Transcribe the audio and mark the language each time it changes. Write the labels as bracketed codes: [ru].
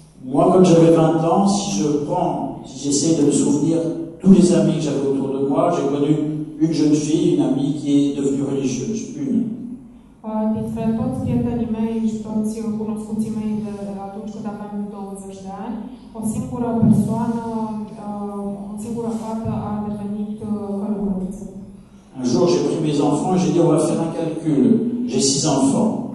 [fr] Moi, quand j'avais 20 ans, si j'essaie de me souvenir tous les amis que j'avais autour de moi, j'ai connu une jeune fille, une amie qui est devenue religieuse, une. [ro] Dintre toți prietenii mei și toți cunoscuții mei de atunci când aveam 20 de ani, o singură persoană, o singură fată a devenit călugăriță. [fr] Un jour j'ai pris mes enfants et j'ai dit on va faire un calcul. J'ai 6 enfants.